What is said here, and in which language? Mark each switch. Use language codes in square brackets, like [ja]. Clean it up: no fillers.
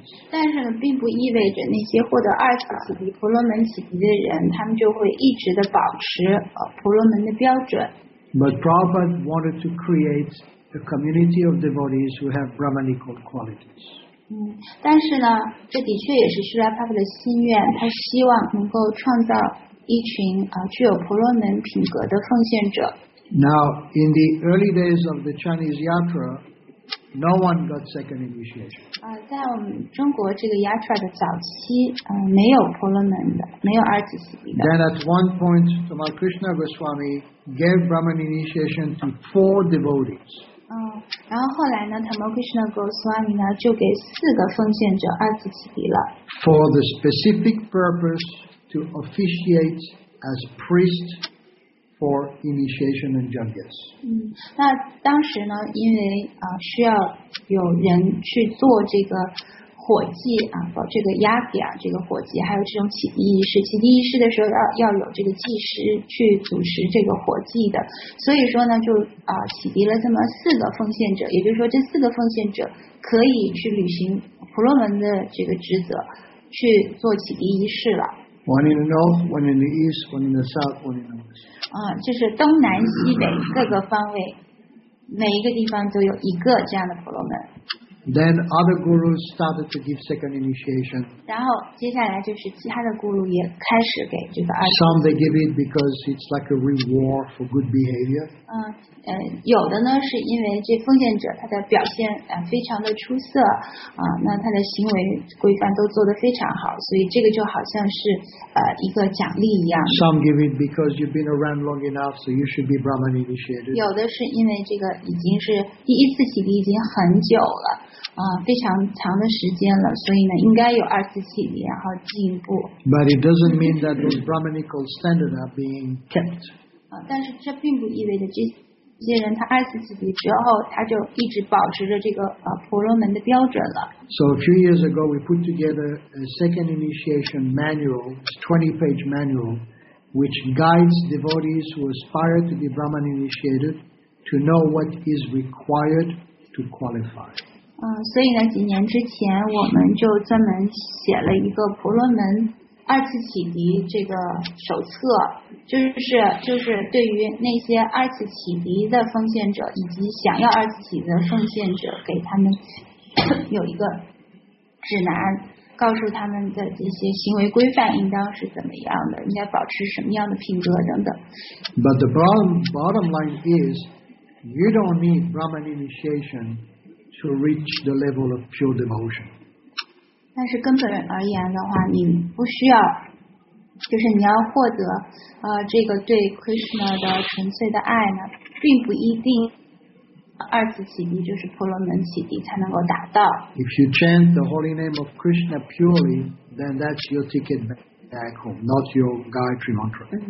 [zh] 但是呢，并不意味着那些获得二次启迪、婆罗门启迪的人，他们就会一直的保持婆罗门的标准。 [en] But Prabhupada wanted to create a community of devotees who have Brahmanical qualities. [zh] 但是呢，这的确也是释迦牟尼佛的心愿，他希望能够创造一群具有婆罗门品格的奉献者。 [en] Now, in the early days of the Chinese Yatra. No one got second initiation. [zh] 在我们中国这个 Yatra 的早期，没有婆罗门的，没有二次启迪的。 [en] Then at one point, Tamal Krishna Goswami gave Brahman initiation to four devotees. [zh] 然后后来呢 ，Tamal Krishna Goswami 呢就给四个奉献者二次启迪了。 [en] For the specific purpose to officiate as priest. For initiation and jagyas. [zh] 那当时呢，因为需要有人去做这个火祭这个压点这个火祭，还有这种启迪仪式。启迪仪式的时候要有这个祭师去主持这个火祭的。所以说呢，就启迪了这么四个奉献者，也就是说这四个奉献者可以去履行婆罗门的这个职责，去做启迪仪式了。 [en] One in the north, one in the east, one in the south, one in the west. [zh] 就是东南西北各个方位，每一个地方都有一个这样的婆罗门。 [en] Then other gurus started to give second initiation. [zh] 然后接下来就是其他的 guru 也开始给这个二。 [en] Some they give it because it's like a reward for good behavior. [zh] 有的呢是因为这奉献者他的表现非常的出色那他的行为规范都做得非常好，所以这个就好像是一个奖励一样。 [en] Some give it because you've been around long enough, so you should be Brahman initiated. [zh] 有的是因为这个已经是第一次洗礼已经很久了。非常长的时间了，所以呢，应该有二次洗礼，然后进步。 [en] But it doesn't mean that those Brahmanical standards are being kept. [zh] 但是这并不意味着这些人他二次洗礼之后，他就一直保持着这个婆罗门的标准了。 [en] So a few years ago, we put together a second initiation manual, 20-page manual, which guides devotees who aspire to be Brahman initiated to know what is required to qualify. [zh] 所以呢，几年之前我们就专门写了一个婆罗门二次洗礼这个手册，就是对于那些二次洗礼的奉献者以及想要二次洗礼的奉献者，给他们有一个指南，告诉他们的这些行为规范应当是怎么样的，应该保持什么样的品格等等。 [en] But the bottom line is, you don't need Brahman initiation. To reach the level of pure devotion. [zh] 但是根本而言的话，你不需要，就是你要获得这个对 Krishna 的纯粹的爱呢，并不一定二次洗礼就是婆罗门洗礼才能够达到。 [en] If you chant the holy name of Krishna purely, then that's your ticket back home, not your Gayatri mantra.